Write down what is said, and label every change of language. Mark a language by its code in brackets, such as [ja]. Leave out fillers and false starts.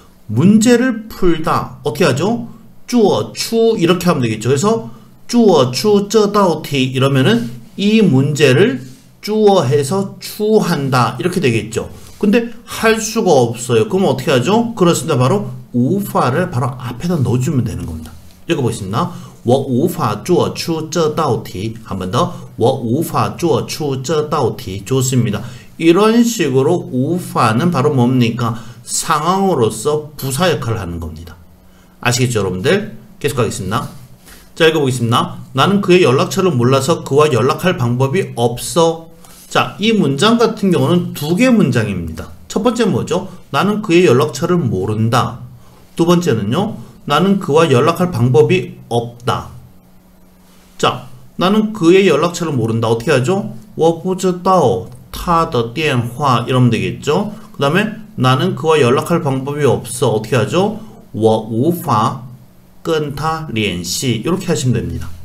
[ko] 문제를 풀다. 어떻게 하죠? 쭈어, 추, 이렇게 하면 되겠죠. 그래서 주어 추 쩌다오티 이러면은 이 문제를 주어해서 추한다 이렇게 되겠죠. 근데 할 수가 없어요. 그럼 어떻게 하죠? 그렇습니다. 바로 우파를 바로 앞에다 넣어주면 되는 겁니다. 읽어보겠습니다. [zh] 我无法做出这道题 [ko] 한번더 [zh] 我无法做出这道题 [ko] 좋습니다. 이런 식으로 우파는 바로 뭡니까? 상황으로서 부사 역할을 하는 겁니다. 아시겠죠, 여러분들? 계속하겠습니다. 자, 읽어보겠습니다. 나는 그의 연락처를 몰라서 그와 연락할 방법이 없어. 자, 이 문장 같은 경우는 두 개의 문장입니다. 첫 번째 뭐죠? 나는 그의 연락처를 모른다. 두 번째는요, 나는 그와 연락할 방법이 없다. 자, 나는 그의 연락처를 모른다. 어떻게 하죠? [zh] 我不知道他的电话 [ko] 이러면 되겠죠? 그 다음에 나는 그와 연락할 방법이 없어. 어떻게 하죠? [zh] 我无法 跟他联系 [ko] 이렇게 하시면 됩니다.